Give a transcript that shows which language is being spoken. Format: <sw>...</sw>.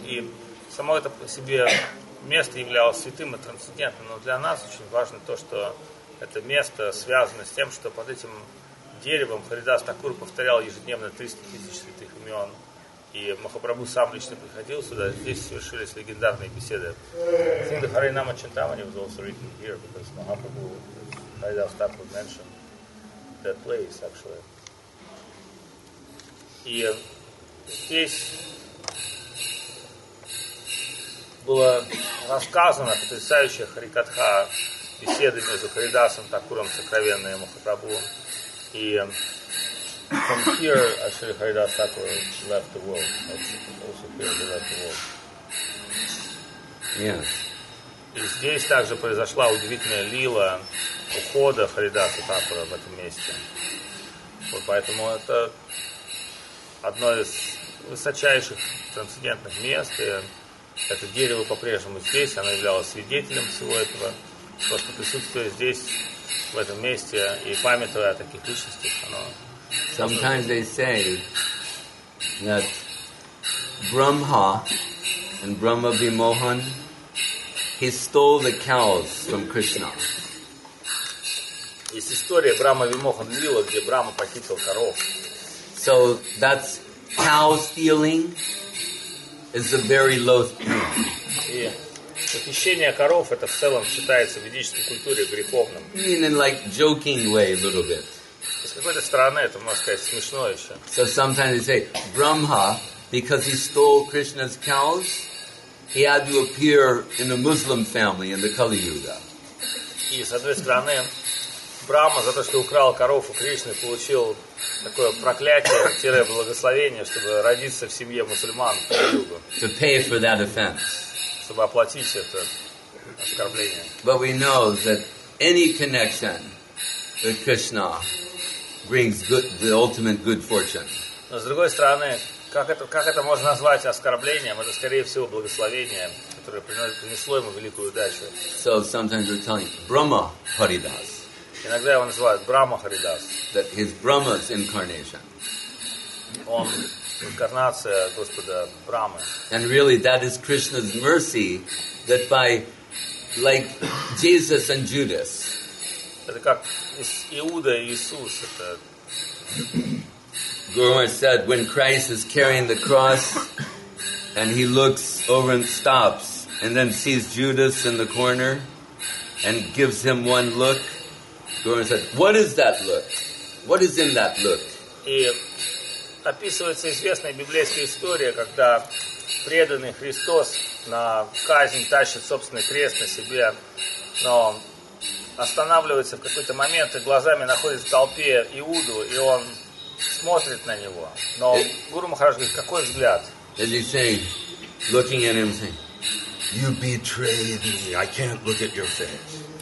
<ru>И само это по себе место являлось святым и трансцендентным. Но для нас очень важно то, что это место связано с тем, что под этим деревом Харидас Такур повторял ежедневно 300 тысяч святых имен. И Махапрабху сам лично приходил сюда. Здесь совершились легендарные беседы.</ru> <en>Синда Харинама Чинтамани was also written here, because Махапрабху, Харидас Такур mentioned that place, actually.</en> <ru>И здесь было рассказано потрясающая харикатха беседы между Харидасом Такуром сокровенной Махапрабху.</ru> <en>И from here, actually, Харидас Такур left the world. Also here, he left the world. Yes.</en> <ru>И здесь также произошла удивительная лила ухода Харидаса Такура в этом месте. Вот поэтому это одно из высочайших трансцендентных мест. И это дерево по-прежнему здесь. Оно являлось свидетелем всего этого. Просто присутствие здесь, в этом месте, и памятуя о таких личностях, оно...</ru> <en>Sometimes they say that Brahma and Brahma Vimohan, he stole the cows from Krishna.</en> <ru>Есть история Брама Вимохан Лила, где Брама похитил коров.</ru> <en>So that's cow stealing is a very low thing.</en> <ru>Похищение коров это в целом считается в ведической культуре греховным.</ru> <en>In a like joking way a little bit.</en> <ru>С какой-то стороны это можно сказать смешно еще.</ru> <en>So sometimes they say Brahma, because he stole Krishna's cows, he had to appear in a Muslim family in the Kali Yuga.</en> <ru>И с одной стороны Брама за то, что украл коров у Кришны, получил такое проклятие-благословение, чтобы родиться в семье мусульман в Кали Югу.</ru> <en>To pay for that offense.</en> <ru>Чтобы оплатить это оскорбление.</ru> <en>But we know that any connection with Krishna brings good, the ultimate good fortune.</en> <ru>Но с другой стороны, как это можно назвать оскорблением? Это скорее всего благословение, которое принесло ему великую удачу.</ru> <en>So sometimes we're telling Brahma Haridas.</en> <ru>Иногда его называют Брама Харидас.</ru> <en>That is Brahma's incarnation.</en> <ru>Он инкарнация Господа Брамы.</ru> <en>And really that is Krishna's mercy that by like Jesus and Judas.</en> <ru>Это как Иуда и Иисус. Это...</ru> <en>Guru Maharaj said, when Christ is carrying the cross and he looks over and stops and then sees Judas in the corner and gives him one look, Guru Maharaj said, what is that look? What is in that look?</en> <ru>И описывается известная библейская история, когда преданный Христос на казнь тащит собственный крест на себе, но останавливается в какой-то момент и глазами находит в толпе Иуду, и он смотрит на него. Но Гуру Махарадж говорит, какой взгляд?</ru> <en>And he's saying, looking at him, saying, you betrayed me, I can't look at your face.</en>